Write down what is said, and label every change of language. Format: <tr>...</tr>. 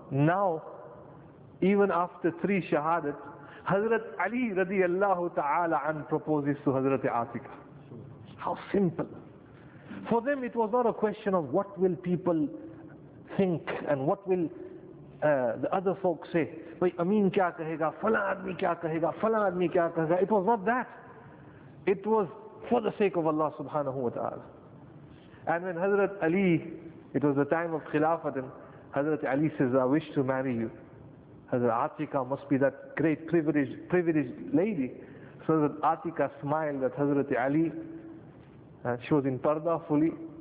<en>Now, even after three shahadat, Hazrat Ali radiyallahu ta'ala an proposes to Hazrat Atika. How simple. For them it was not a question of what will people think and what will the other folks say.</en> <hi>Wait, अमीन क्या कहेगा, फलाँ आदमी क्या कहेगा, फलाँ आदमी क्या कहेगा.</hi> <en>It was not that. It was for the sake of Allah subhanahu wa ta'ala. And when Hazrat Ali, it was the time of Khilafat, and Hazrat Ali says, I wish to marry you. Hazrat Atika must be that great privileged lady. So Hazrat Atika smiled at Hazrat Ali. And she was in parda fully.</en>